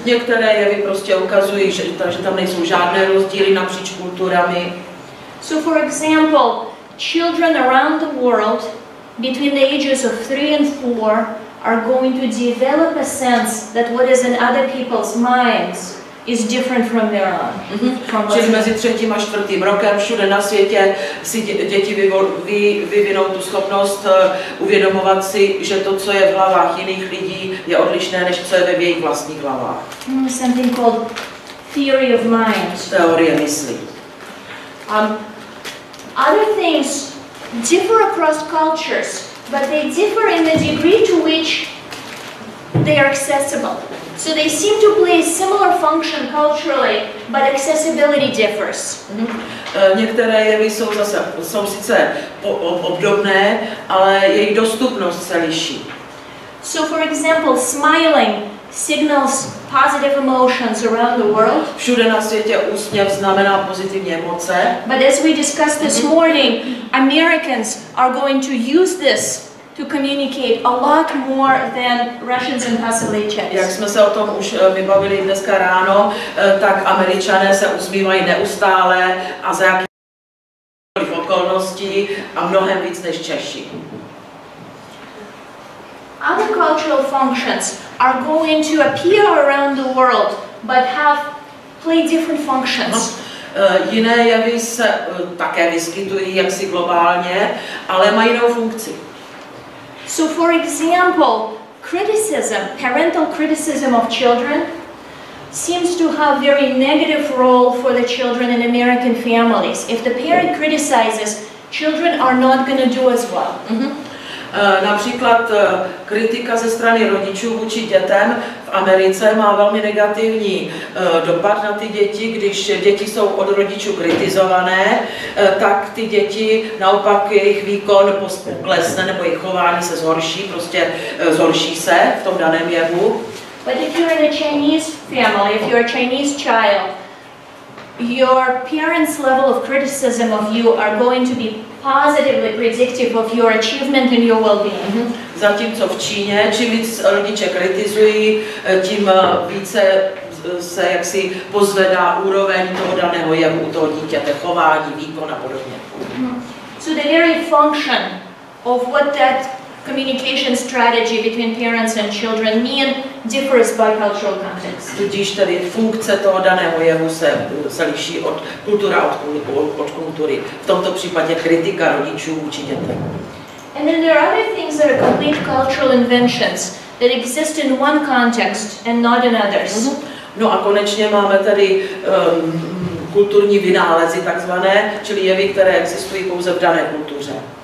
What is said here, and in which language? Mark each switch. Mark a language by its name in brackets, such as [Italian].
[Czech] Některé jevy prostě ukazují, že tam nejsou žádné rozdíly napříč kulturami. [English] So for example, children around the world between the ages of 3 and 4 are going to develop a sense that what is in other people's minds is different from their own. [Czech] Čili mezi 3. a 4. rokem všude na světě si děti vyvinou tu schopnost uvědomovat si, že to, co je v hlavách jiných lidí, je odlišné, než co je ve jejich vlastních hlavách. [English] Something called theory of mind. [Czech] Teorie mysli. [English] Other things differ across cultures, but they differ in the degree to which they are accessible. So they seem to play a similar function culturally, but accessibility differs. [Czech] Některé jevy jsou sice obdobné, ale jejich dostupnost se liší. [English] So for example, smiling signals positive emotions around the world. [Czech] Všude na světě úsměv znamená pozitivní emoce. [English] But as we discussed this morning, Americans are going to use this to communicate a lot more than Russians and possibly Czechs. [Czech] Jak jsme se o tom už vybavili dneska ráno, tak Američané se usmívají neustále a za jakýchkoliv okolností a mnohem víc než Češi. [English] Other cultural functions are going to appear around the world, but have play different functions. [Czech] Jiné jevy se také vyskytují jaksi globálně, ale mají jinou funkci. [English] So for example, criticism, parental criticism of children seems to have a very negative role for the children in American families. If the parent criticizes, children are not going to do as well. [Czech] Například kritika ze strany rodičů vůči dětem v Americe má velmi negativní dopad na ty děti. Když děti jsou od rodičů kritizované, tak ty děti naopak jejich výkon poklesne nebo jejich chování se zhorší, prostě zhorší se v tom daném jevu. [English] But if you're in a Chinese family, if you're a Chinese child, your parents' level of criticism of you are going to be positively predictive of your achievement and your well-being. [Czech] Zatímco v Číně, čím víc rodiče kritizují, tím více se jaksi pozvedá úroveň toho daného jevu u toho dítěte, chování, výkon a podobně. [English] So the very function of what that communication strategy between parents and children mean differs by cultural context. [Czech] Tudíž tedy funkce toho daného jevu se liší od kultura od kultury. V tomto případě kritika rodičů vůči dětem. [English] And then there are other things that are complete cultural inventions that exist in one context and not in others. [Czech] No a konečně máme tady kulturní vynálezy takzvané, čili jevy, které existují pouze v dané kultuře.